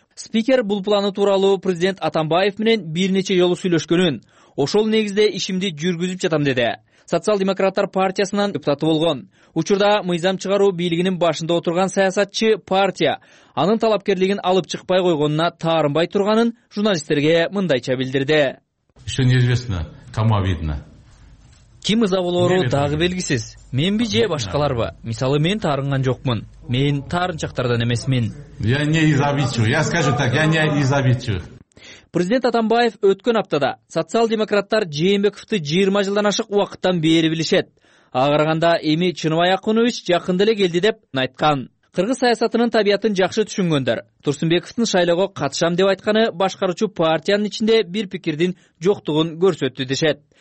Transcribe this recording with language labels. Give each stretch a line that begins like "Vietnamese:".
Kyrgyz: Спикер бул планы тууралуу президент Атамбаев менен бир нече жолу сүйлөшкөнүн, ошол негизде ишимди жүргүзүп жатам деди. Социал-демократтар партиясынан депутаты болгон. Учурда мыйзам чыгаруу бийлигинин башында отурган саясатчы партия анын талапкерлигин алып чыкпай койгонуна таарынбай турганын журналисттерге мындайча билдирди.
Russian: Что неизвестно, кому обидно.
Kyrgyz: Ким ыза болоору дагы белгисиз. Менби же башкаларбы? Мисалы мен таарынган жокмун. Мен таарынчактардан эмесмин.
Russian: Я не из обидчивых. Я скажу так, я не из обидчивых.
Kyrgyz: Президент Атамбаев өткөн аптада социал-демократтар Жээнбековду 20 жылдан ашык убакыттан бери билишет. Агарганда эми Чыныбай Акунович жакында эле келди деп айткан. Кыргыз саясатынын табиятын жакшы түшүнгөндөр Турсунбековдун шайлоого катышам деп айтканы башкаруучу партиянын ичинде бир пикирдин жоктугун көрсөттү дешет.